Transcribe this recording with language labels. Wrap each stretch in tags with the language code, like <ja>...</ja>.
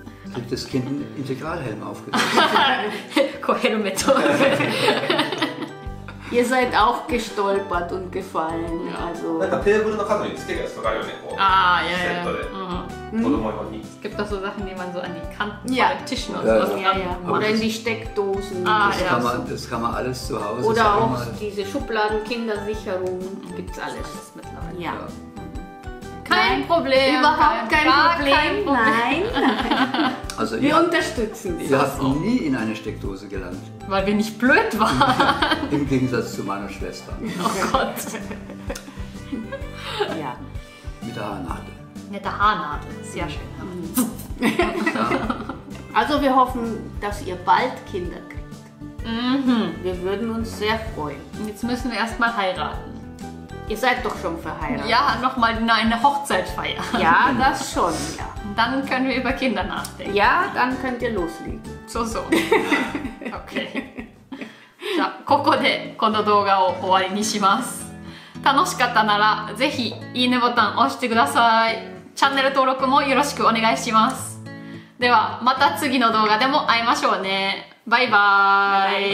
<de>Gibt das Kind einen Integralhelm aufgesetzt? Kohelmet. Ihr seid auch gestolpert und gefallen. Also.</de> <ja>テーブルの角につけるやつとかあるよね。ああ、いやいや。子供用に。</ja> <de>Es gibt auch so Sachen, die man so an die Kanten ja, von den Tischen und sowas ja. Oder in die Steckdosen. Ah, das, ja, kann man, das kann man alles zu Hause. Oder auch mal diese Schubladen-Kindersicherung. Gibt's alles. Das mittlerweile. Ja. Kein Problem. Überhaupt kein Problem. Nein. Also wir unterstützen dich. Ihr habt nie in eine Steckdose gelangt. Weil wir nicht blöd waren. Im Gegensatz zu meiner Schwester. Oh Gott. Ja. Mit der Haarnadel. Mit der Haarnadel, sehr schön. Ja. Also wir hoffen, dass ihr bald Kinder kriegt. Mhm. Wir würden uns sehr freuen. Jetzt müssen wir erstmal heiraten. Ihr seid doch schon verheiratet. Ja, nochmal eine Hochzeitfeier. Ja, das schon, ja. Dann können wir über Kinder nachdenken. Ja, dann könnt ihr loslegen. So. Okay.</de> <ja>じゃあ、ここでこの動画を終わりにします。楽しかったなら、ぜひいいねボタン押してください。チャンネル登録もよろしくお願いします。では、また次の動画でも会いましょうね。バイバーイ。</ja>